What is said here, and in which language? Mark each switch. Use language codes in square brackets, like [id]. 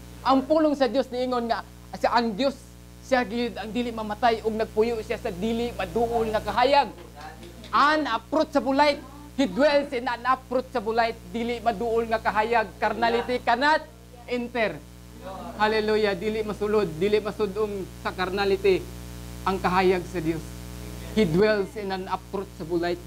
[ceb] Ang pulong sa Dios niingon nga, asa ang Dios siya gid ang dili mamatay ug nagpuyo siya sa dili maduol nga kahayag. [en] Unapproachable light. He dwells in an approachable light. [ceb] Dili maduol nga kahayag. [en] Carnality cannot enter. [ceb] Hallelujah. Dili masulod. Dili masudong sa carnality ang kahayag sa Dios. [en] He dwells in an approachable light.